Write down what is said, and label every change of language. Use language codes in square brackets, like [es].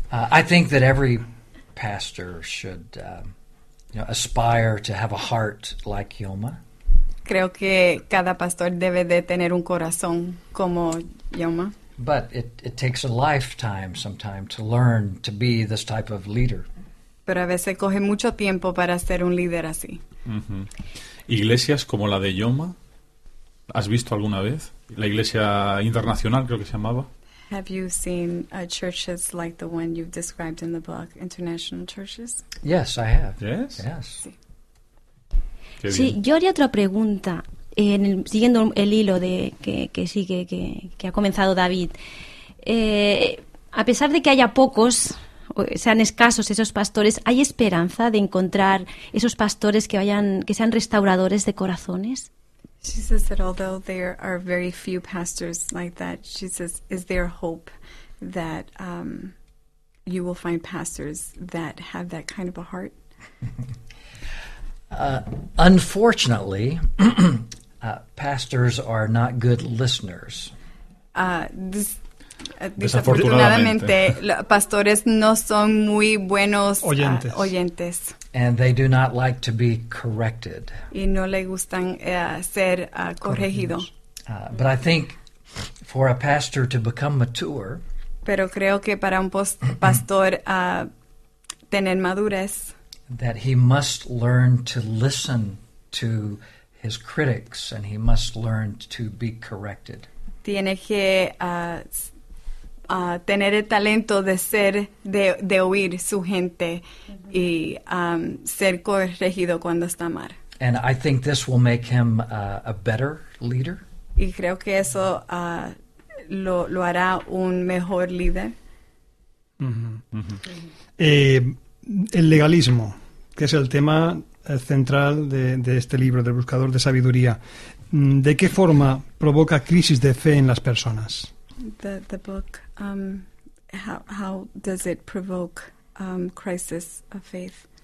[en] I think that every pastor should aspire to have a heart like Joma. [es] Creo que cada pastor debe de tener un corazón como Joma. [en] But it takes a lifetime sometime to learn to be this type of leader. [es] Pero a veces coge mucho tiempo para ser un líder así. Uh-huh. ¿Iglesias como la de Joma? ¿Has visto alguna vez? La iglesia internacional, creo que se llamaba. [en] Have you seen churches like the one you've described in the book, international churches? Yes, I have. Yes? Yes. [es] Sí, yo haría otra pregunta. Siguiendo el hilo de que ha comenzado David, a pesar de que haya pocos, sean escasos esos pastores, ¿hay esperanza de encontrar esos pastores que sean restauradores de corazones? [en] She says that although there are very few pastors like that, she says, is there hope that you will find pastors that have that kind of a heart? Unfortunately. pastors are not good listeners. [es] Desafortunadamente, pastores no son muy buenos oyentes. [en] And they do not like to be corrected. [es] Y no le gustan ser corregido. [en] But I think for a pastor to become mature, [es] pero creo que para un pastor tener madurez, [en] that he must learn to listen to his critics, and he must learn to be corrected. [es] Tiene que tener el talento de ser de oír su gente y ser corregido cuando está mal. [en] And I think this will make him a better leader. [es] Y creo que eso lo hará un mejor líder. El legalismo, que es el tema central de este libro del Buscador de Sabiduría. ¿De qué forma provoca crisis de fe en las personas? [en] The book, how does it provoke crisis of faith?